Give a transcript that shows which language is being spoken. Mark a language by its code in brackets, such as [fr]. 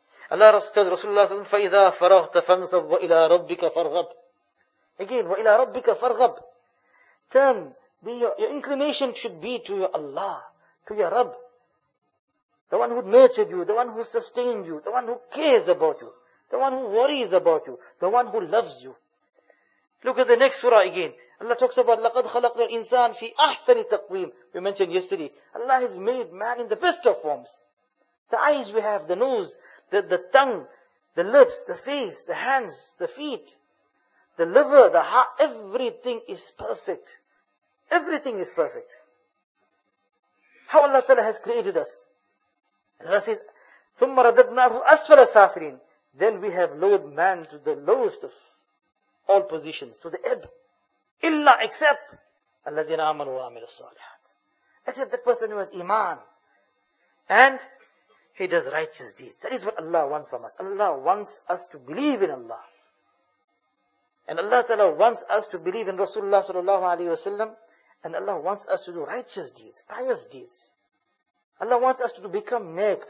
[en] Allah tells Rasulullah [ar] صلى الله عليه وسلم, فَإِذَا فَرَغْتَ فَانْصَبْ وَإِلَىٰ رَبِّكَ فَارْغَبْ. [en] Again, [ar] وَإِلَىٰ رَبِّكَ فَارْغَبْ. [en] Turn. Your inclination should be to your Allah, to your Rabb. The one who nurtured you, the one who sustained you, the one who cares about you, the one who worries about you, the one who loves you. Look at the next surah again. Allah talks about, [ar] لَقَدْ خَلَقْنَا الْإِنسَانَ فِي أَحْسَنِ تَقْوِيمٍ. [en] We mentioned yesterday, Allah has made man in the best of forms. The eyes we have, the nose, the tongue, the lips, the face, the hands, the feet, the liver, the heart, everything is perfect. Everything is perfect. How Allah Ta'ala has created us. Allah says, [ar] ثُمَّ رَدَدْنَاهُ أَسْفَلَ سَافِرِينَ. [en] Then we have lowered man to the lowest of all positions, to the ebb. [ar] Illa [en] except [ar] الَّذِينَ آمَنُوا وَعَمِلُوا الصَّالِحَاتِ. [en] Except the person who has iman. And he does righteous deeds. That is what Allah wants from us. Allah wants us to believe in Allah. And Allah Ta'ala wants us to believe in Rasulullah sallallahu alayhi wa sallam. And Allah wants us to do righteous deeds, pious deeds. Allah wants us to become nek.